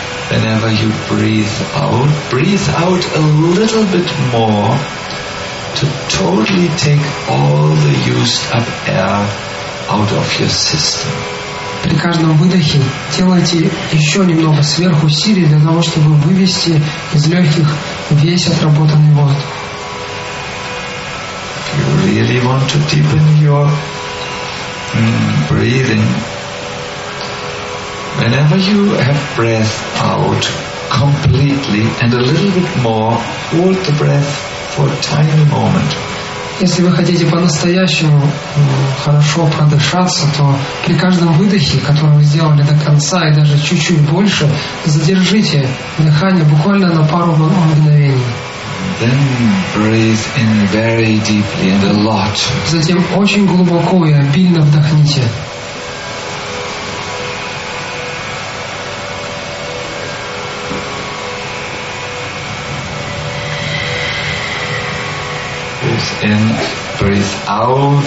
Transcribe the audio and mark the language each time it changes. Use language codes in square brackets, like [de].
[en] Whenever you breathe out a little bit more to totally take all the used up air out of your system. [ru] При каждом выдохе делайте еще немного сверхусилий для того, чтобы вывести из легких весь отработанный воздух. [en] If you really want to deepen your breathing, whenever you have breath out completely and a little bit more, hold the breath for a tiny moment. [ru] Если вы хотите по-настоящему хорошо продышаться, то при каждом выдохе, который вы сделали до конца и даже чуть-чуть больше, задержите дыхание буквально на пару мгновений. [en] Then breathe in very deeply and a lot. [ru] Затем очень глубоко и обильно вдохните. [en] Breathe in, breathe out.